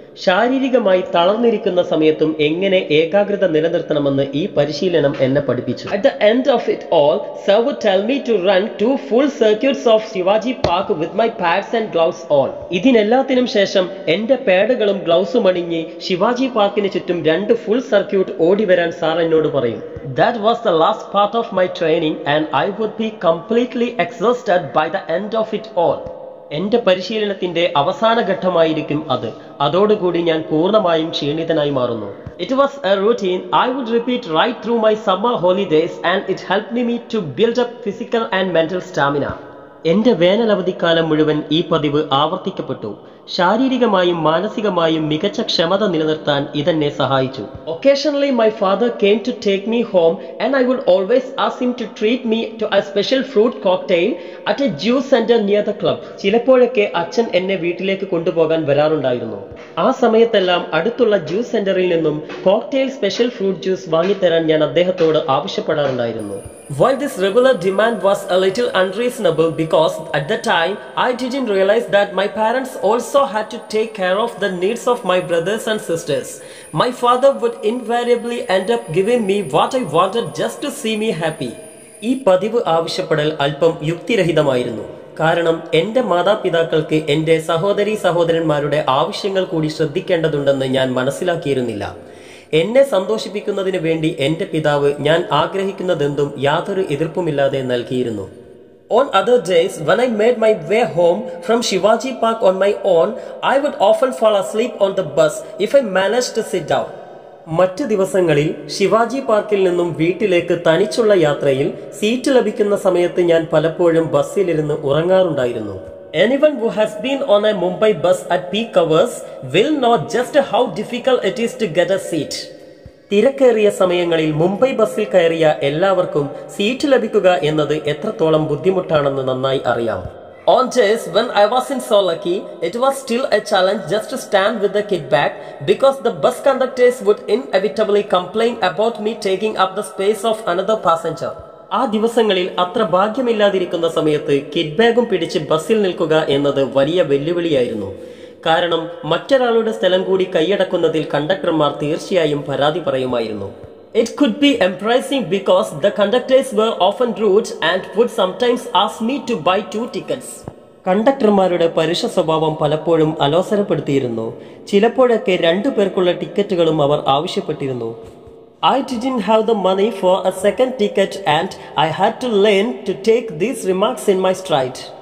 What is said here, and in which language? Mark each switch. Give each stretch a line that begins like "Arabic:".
Malayalam: ശാരീരികമായി തളർന്നിരിക്കുന്ന സമയത്തും എങ്ങനെ ഏകാഗ്രത നിലനിർത്തണമെന്ന് ഈ പരിശീലനം എന്നെ പഠിപ്പിച്ചു.
English: At the end of it all serve tell me to run 2 full circuits of Shivaji Park with my pads and gloves on.
Malayalam: ഇതിനെല്ലാത്തിനും ശേഷം എന്റെ പാഡുകളും ഗ്ലൗസും അണിഞ്ഞ് ശിവാജി പാർക്കിന് ചുറ്റും 2 full circuits ഓടി വരാൻ സാർ എന്നോട് പറയും.
English: That was the last part of my training and I would be completely exhausted by the end of it all.
Malayalam: എന്റെ പരിശീലനത്തിന്റെ അവസാന ഘട്ടമായിരിക്കും അത്. അതോടുകൂടി ഞാൻ പൂർണ്ണമായും ക്ഷീണിതനായി മാറുന്നു.
English: It was a routine I would repeat right through my summer holidays and it help me to build up physical and mental stamina.
Malayalam: എന്റെ വേനലവധിക്കാലം മുഴുവൻ ഈ പതിവ് ആവർത്തിക്കപ്പെട്ടു. ശാരീരികമായും മാനസികമായും മികച്ച ക്ഷമത നിലനിർത്താൻ ഇതെന്നെ സഹായിച്ചു.
English: Occasionally my father came to take me home and I would always ask him to treat me to a special fruit cocktail at a juice centre near the club.
Malayalam: ചിലപ്പോഴൊക്കെ അച്ഛൻ എന്നെ വീട്ടിലേക്ക് കൊണ്ടുപോകാൻ വരാറുണ്ടായിരുന്നു. ആ സമയത്തെല്ലാം അടുത്തുള്ള ജ്യൂസ് സെന്ററിൽ നിന്നും കോക്ടെയിൽ സ്പെഷ്യൽ ഫ്രൂട്ട് ജ്യൂസ് വാങ്ങിത്തരാൻ ഞാൻ അദ്ദേഹത്തോട് ആവശ്യപ്പെടാറുണ്ടായിരുന്നു.
English: While this regular demand was a little unreasonable because at the time I didn't realize that my parents also had to take care of the needs of my brothers and sisters. My father would invariably end up giving me what I wanted just to see me happy.
Malayalam: ഈ പതിവ് ആവശ്യപ്പെടൽ അല്പം യുക്തിരഹിതമായിരുന്നു. കാരണം എന്റെ മാതാപിതാക്കൾക്ക് എന്റെ സഹോദരി സഹോദരന്മാരുടെ ആവശ്യങ്ങൾ കൂടി ശ്രദ്ധിക്കേണ്ടതുണ്ടെന്ന് ഞാൻ മനസ്സിലാക്കിയിരുന്നില്ല. എന്നെ സന്തോഷിപ്പിക്കുന്നതിന് വേണ്ടി എന്റെ പിതാവ് ഞാൻ ആഗ്രഹിക്കുന്നതെന്തും യാതൊരു എതിർപ്പുമില്ലാതെ നൽകിയിരുന്നു.
English: On other days, when I made my way home from Shivaji Park on my own, I would often fall asleep on the bus if I managed to sit down.
Malayalam: മറ്റ് ദിവസങ്ങളിൽ ശിവാജി പാർക്കിൽ നിന്നും വീട്ടിലേക്ക് തനിച്ചുള്ള യാത്രയിൽ സീറ്റ് ലഭിക്കുന്ന സമയത്ത് ഞാൻ പലപ്പോഴും ബസ്സിലിരുന്ന് ഉറങ്ങാറുണ്ടായിരുന്നു.
English: Anyone who has been on a Mumbai bus at peak hours will know just how difficult it is to get a seat.
Malayalam: തിരക്കേറിയ സമയങ്ങളിൽ മുംബൈ ബസ്സിൽ കയറിയ എല്ലാവർക്കും സീറ്റ് ലഭിക്കുക എന്നത് എത്രത്തോളം ബുദ്ധിമുട്ടാണെന്ന് നന്നായി അറിയാം.
English: On days when I was in so lucky, it was still a challenge just to stand with the kid back because the bus conductors would inevitably complain about me taking up the space of another passenger.
Malayalam: ആ ദിവസങ്ങളിൽ അത്ര ഭാഗ്യമില്ലാതിരിക്കുന്ന സമയത്ത് kid ബാഗും പിടിച്ച് ബസ്സിൽ നിൽക്കുക എന്നത് വലിയ വെല്ലുവിളിയായിരുന്നു. കാരണം മറ്റൊരാളുടെ സ്ഥലം കൂടി കൈയടക്കുന്നതിൽ കണ്ടക്ടർമാർ തീർച്ചയായും പരാതി പറയുമായിരുന്നു.
English: It could be embarrassing because the conductors were often rude and would sometimes ask me to buy 2 tickets.
Malayalam: കണ്ടക്ടർമാരുടെ പരുഷ സ്വഭാവം പലപ്പോഴും അലോസരപ്പെടുത്തിയിരുന്നു. ചിലപ്പോഴൊക്കെ 2 പേർക്കുള്ള ടിക്കറ്റുകളും അവർ ആവശ്യപ്പെട്ടിരുന്നു.
English: I didn't have the money for a second ticket and I had to learn to take these remarks in my stride.